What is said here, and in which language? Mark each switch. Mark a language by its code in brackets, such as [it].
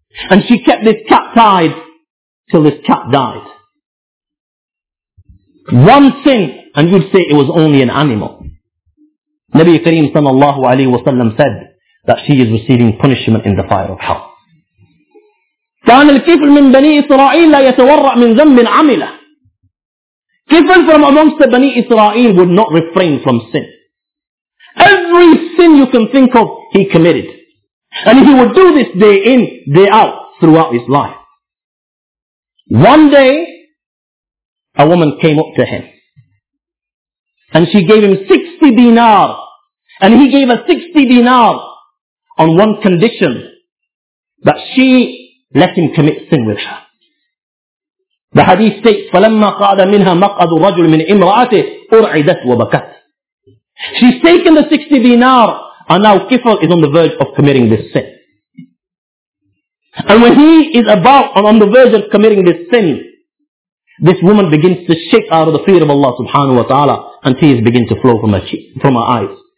[en] And she kept this cat tied till this cat died. One sin, and you'd say it was only an animal. Nabi Kareem sallallahu alayhi wa sallam said that she is receiving punishment in the fire of hell. [ar] كان الكفل من بني إسرائيل لا يتورأ من ذنب عمله. [en] Kifl from amongst the Bani Israel would not refrain from sin. Every sin you can think of, he committed. And he would do this day in, day out, throughout his life. One day, a woman came up to him. And she gave him 60 dinar. And he gave her 60 dinar on one condition, that she let him commit sin with her. The hadith states, [ar] فَلَمَّا قَعْدَ مِنْهَا مَقْعَدُ الرَّجُلِ مِنْ إِمْرَأَتِهِ أُرْعِدَتْ وَبَكَتْ. [en] She's taken the 60 dinar, and now Kifl is on the verge of committing this sin. And when he is about and on the verge of committing this sin, this woman begins to shake out of the fear of Allah subhanahu wa ta'ala, and tears begin to flow from her eyes.